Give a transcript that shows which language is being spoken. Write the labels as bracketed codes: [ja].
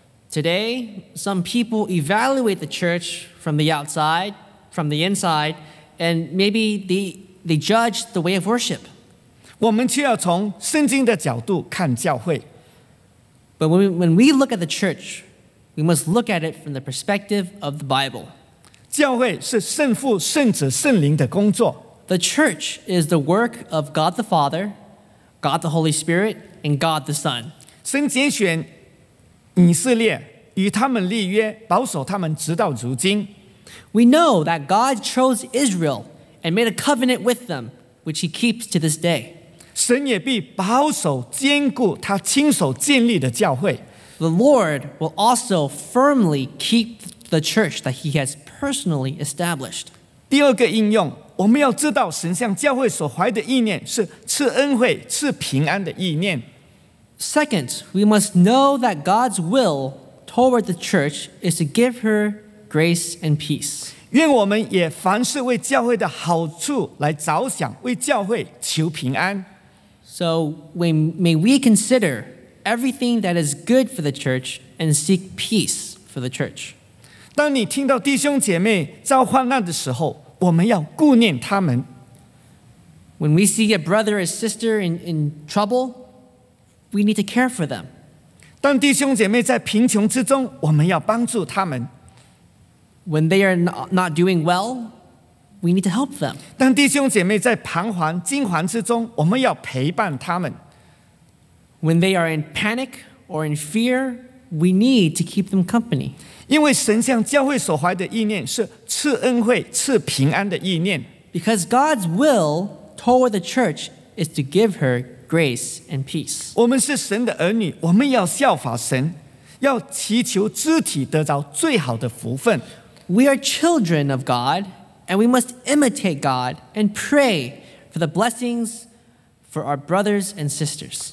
[en] Today, some people evaluate the church from the outside, from the inside, and maybe they judge the way of worship. [zh] 我们却要从圣经的角度看教会。 [en] But when we look at the church, we must look at it from the perspective of the Bible. [zh] 教会是圣父、圣子、圣灵的工作。 [en] The church is the work of God the Father, God the Holy Spirit, and God the Son. [zh] 神拣选以色列，与他们立约，保守他们直到如今。 [en] We know that God chose Israel and made a covenant with them, which he keeps to this day. [zh] 神也必保守坚固他亲手建立的教会。 [en] The Lord will also firmly keep the church that he has personally established. [zh] 第二个应用，我们要知道神向教会所怀的意念是赐恩惠、赐平安的意念。 [en] Second, we must know that God's will toward the church is to give her grace and peace. [zh] 愿我们也凡事为教会的好处来着想，为教会求平安。 [en] So may we consider everything that is good for the church and seek peace for the church. [zh] 当你听到弟兄姐妹遭患难的时候，我们要顾念他们。 [en] When we see a brother or sister in trouble, we need to care for them. [zh] 当弟兄姐妹在贫穷之中，我们要帮助他们。 [en] When they are not doing well, we need to help them. [zh] 当弟兄姐妹在彷徨、惊惶之中，我们要陪伴他们。 [en] When they are in panic or in fear, we need to keep them company. [zh] 因为神向教会所怀的意念是赐恩惠、赐平安的意念。 [en] Because God's will toward the church is to give her grace and peace. [zh] 我们是神的儿女，我们要效法神，要祈求肢体得着最好的福分。 [en] We are children of God, and we must imitate God and pray for the blessings for our brothers and sisters.